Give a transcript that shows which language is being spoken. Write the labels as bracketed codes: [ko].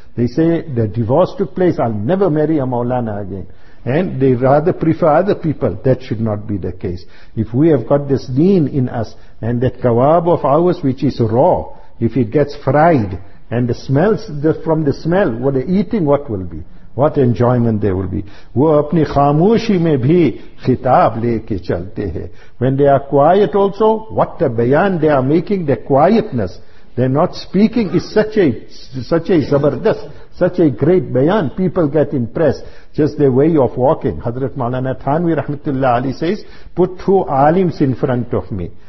[en] They say, the divorce took place, I'll never marry a Maulana again. And they rather prefer other people. That should not be the case. If we have got this deen in us, and that kawab of ours, which is raw, if it gets fried, and the smells, from the smell, what they're eating, what will be? What enjoyment there will be. [ur] وہ اپنی خاموشی میں بھی خطاب لے کے چلتے ہیں. [en] When they are quiet also, what a bayan they are making, their quietness. They're not speaking is such a zabardast, such a great bayan. People get impressed. Just their way of walking. Hazrat Maulana Thanvi Rahmatullah Ali says, put two alims in front of me.